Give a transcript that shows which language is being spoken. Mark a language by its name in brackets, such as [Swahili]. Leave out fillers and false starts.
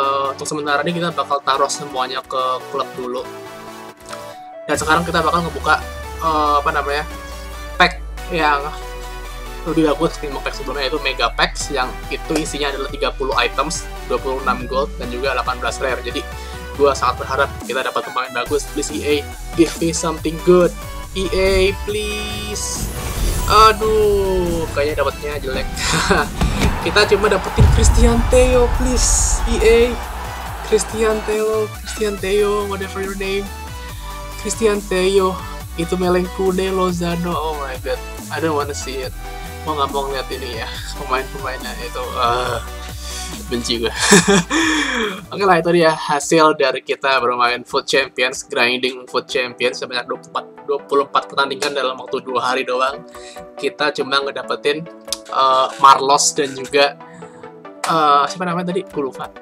[Indonesian] Untuk sementara ini kita bakal taruh semuanya ke klub dulu. Dan sekarang kita bakal ngebuka pack yang lebih bagus dari pack sebelumnya, yaitu Mega Packs yang itu isinya adalah 30 items, 26 gold dan juga 18 rare. Jadi gue sangat berharap kita dapat pemain bagus. [English] Please EA, give me something good. EA, please. [Indonesian] Aduh, kayaknya dapatnya jelek. Kita cuma dapetin [English] Christian Teo, please. EA, Christian Teo, whatever your name. [Indonesian] Christian Teo, itu Melencune Lozano. [English] Oh my god, I don't wanna see it. [Indonesian] Gue gak mau ngeliat ini ya, pemain-pemainnya itu. Benci gue. Oke lah, itu dia hasil dari kita bermain FUT Champions, grinding FUT Champions sebanyak 24 pertandingan dalam waktu 2 hari doang. Kita cuma ngedapetin Marlos dan juga siapa namanya tadi? Gue lupa.